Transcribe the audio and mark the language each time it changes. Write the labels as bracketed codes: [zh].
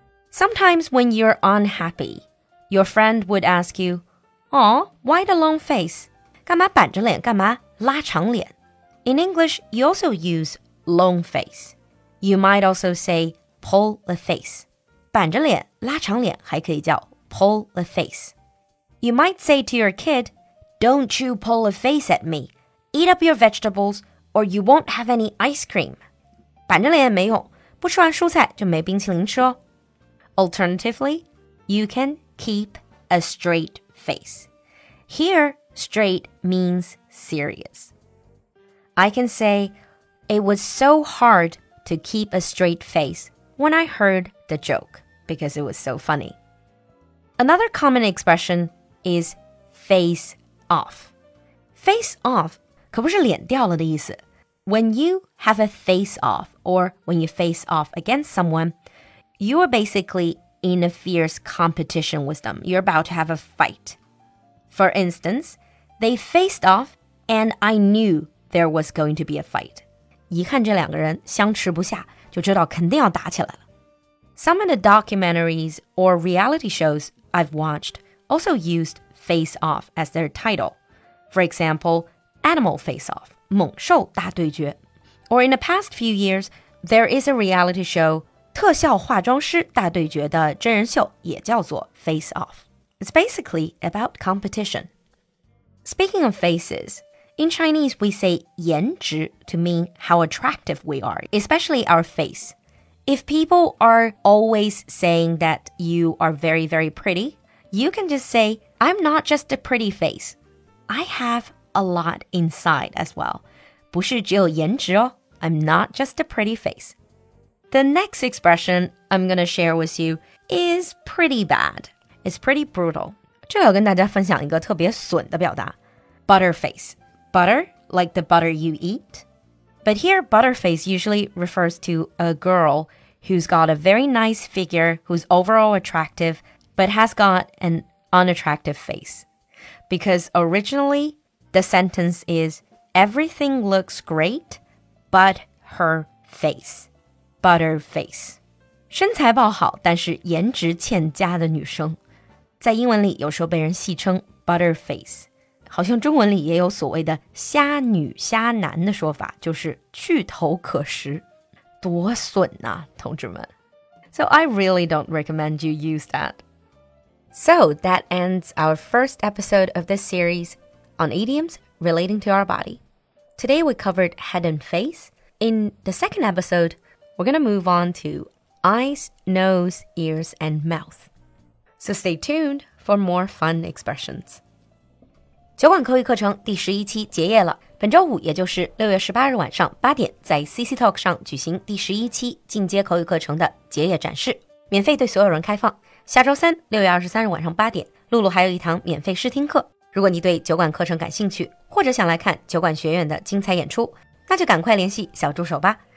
[en] Sometimes when you're unhappy, your friend would ask you, Aw, why the long face? [zh] 干嘛板着脸？干嘛拉长脸？ [en] In English, you also use long face. You might also say pull the face. [zh] 板着脸拉长脸还可以叫 [en] pull the face. You might say to your kid, Don't you pull a face at me. Eat up your vegetables or you won't have any ice cream. [zh] 板着脸没用，不吃完蔬菜就没冰淇淋吃哦。 [en] Alternatively, you can keep a straight face. Here, straight means serious. I can say, it was so hard to keep a straight face when I heard the joke because it was so funny. Another common expression is face off. [zh] Face off可不是脸掉了的意思。 [en] When you have a face off or when you face off against someone, you are basically in a fierce competition with them. You're about to have a fight. For instance, they faced off and I knew there was going to be a fight. [zh] 一看这两个人相持不下就知道肯定要打起来了。 [en] Some of the documentaries or reality shows I've watched also used face off as their title. For example,Animal Face-Off, [zh] 猛兽大对决。 [en] Or in the past few years, there is a reality show, [zh] 特效化妆师大对决的真人秀也叫做 Face-Off. [en] It's basically about competition. Speaking of faces, in Chinese we say 颜值 to mean how attractive we are, especially our face. If people are always saying that you are very, very pretty, you can just say, I'm not just a pretty face. I haveA lot inside as well. [zh] 不是只有颜值哦。 [en] I'm not just a pretty face. The next expression I'm going to share with you is pretty bad. It's pretty brutal. [zh] 这要跟大家分享一个特别损的表达。 [en] Butter face. Butter, like the butter you eat. But here, butter face usually refers to a girl who's got a very nice figure, who's overall attractive, but has got an unattractive face. Because originally,The sentence is, everything looks great, but her face. Butter face. [zh] 身材爆好但是颜值欠佳的女生。在英文里有时候被人戏称 butter face。好像中文里也有所谓的虾女虾男的说法就是去头可食。多损啊同志们。 [en] So I really don't recommend you use that. So that ends our first episode of this series,on idioms relating to our body. Today we covered head and face. In the second episode, we're going to move on to eyes, nose, ears, and mouth. So stay tuned for more fun expressions. [zh] 酒馆口语课程第十一期结业了。本周五也就是6月18日晚上8点在 CC Talk 上举行第十一期进阶口语课程的结业展示。免费对所有人开放。下周三6月23日晚上8点露露还有一堂免费试听课。如果你对酒馆课程感兴趣或者想来看酒馆学院的精彩演出那就赶快联系小助手吧。